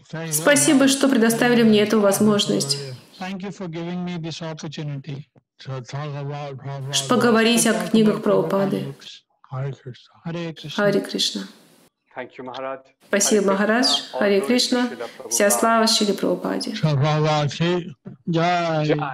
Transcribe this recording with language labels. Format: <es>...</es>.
<ru>Спасибо, что предоставили мне эту возможность.</ru> <en>Thank you for giving me this opportunity to talk about Prabhupada.</en> <ru>Поговорить о книгах Прабхупады.</ru> <en>Hare Krishna. Thank you, Maharaj.</en> <ru>Спасибо, Махарадж. Hare Krishna. Вся слава Шриле Прабхупаде. Шри Прабхупаде. Jai.</ru>